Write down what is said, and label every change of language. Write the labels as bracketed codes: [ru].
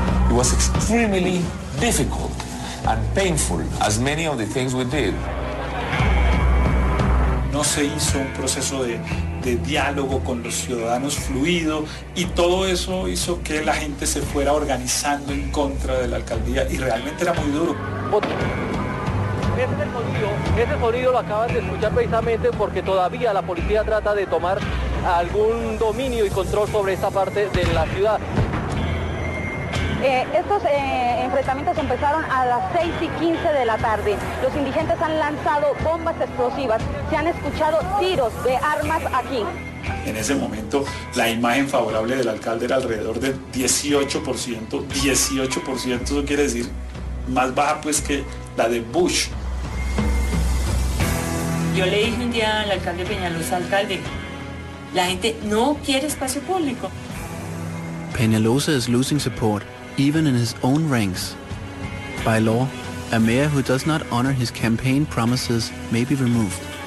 [en] It was extremely difficult and painful, as many of the things we did. [es] No se hizo un proceso de diálogo con los ciudadanos fluido, y todo eso hizo que la gente se fuera organizando en contra de la alcaldía, y realmente era muy duro. Ese sonido lo acabas de escuchar precisamente porque todavía la policía trata de tomar algún dominio y control sobre esta parte de la ciudad. Estos enfrentamientos empezaron a las 6 y 15 de la tarde. Los indigentes han lanzado bombas explosivas. Se han escuchado tiros de armas aquí. En ese momento, la imagen favorable del alcalde era alrededor del 18%. 18%, eso quiere decir más baja pues que la de Bush. Yo le dije un día al alcalde Peñalosa, alcalde, la gente no quiere espacio público. [en] Peñalosa is losing support, even in his own ranks. By law, a mayor who does not honor his campaign promises may be removed.